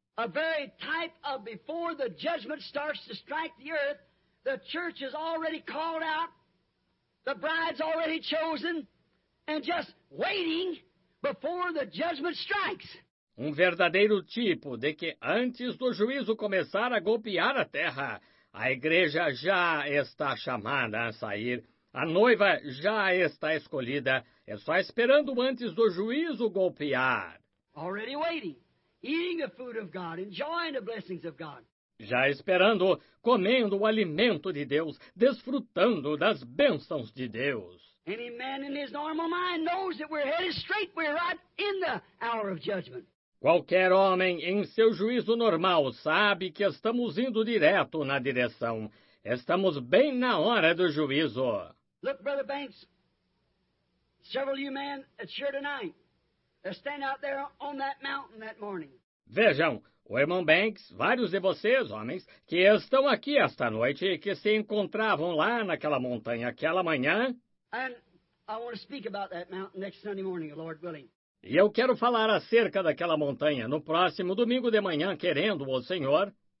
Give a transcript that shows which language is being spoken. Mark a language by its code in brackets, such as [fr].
[en] A very type of before the judgment starts to strike the earth, the church is already called out, the bride's already chosen, and just waiting before the judgment strikes. [pt] Um verdadeiro tipo de que antes do juízo começar a golpear a terra, a igreja já está chamada a sair, a noiva já está escolhida, é só esperando antes do juízo golpear. [en] Already waiting, eating the food of God, enjoying the blessings of God. [pt] Já esperando, comendo o alimento de Deus, desfrutando das bênçãos de Deus. [en] Any man in his normal mind knows that we're headed straight, we're right in the hour of judgment. [pt] Qualquer homem em seu juízo normal sabe que estamos indo direto na direção. Estamos bem na hora do juízo. [en] Look, Brother Banks, several of you men at sure tonight. They're standing out there on that mountain that morning. [pt] Vejam, o irmão Banks, vários de vocês, homens, que estão aqui esta noite e que se encontravam lá naquela montanha aquela manhã. [en] And I want to speak about that mountain next Sunday morning, Lord willing. [pt] E eu quero falar acerca daquela montanha no próximo domingo de manhã, querendo o Senhor.